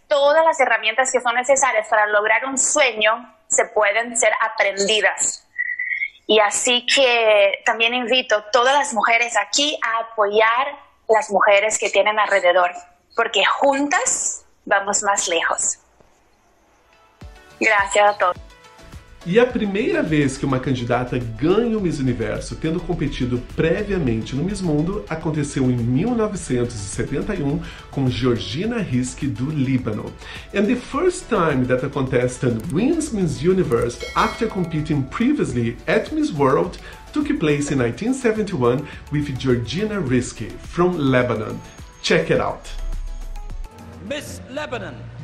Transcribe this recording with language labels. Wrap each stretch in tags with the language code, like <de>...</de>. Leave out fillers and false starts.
<es>Todas las herramientas que son necesarias para lograr un sueño se pueden ser aprendidas. Y así que también invito a todas las mujeres aquí a apoyar las mujeres que tienen alrededor, porque juntas vamos más lejos. Gracias a todos.</es> <pt>E a primeira vez que uma candidata ganha o Miss Universo, tendo competido previamente no Miss Mundo, aconteceu em 1971 com Georgina Risky do Líbano.</pt> <en>And the first time that a contestant wins Miss Universe after competing previously at Miss World took place in 1971 with Georgina Risky from Lebanon. Check it out! Miss Lebanon!</en>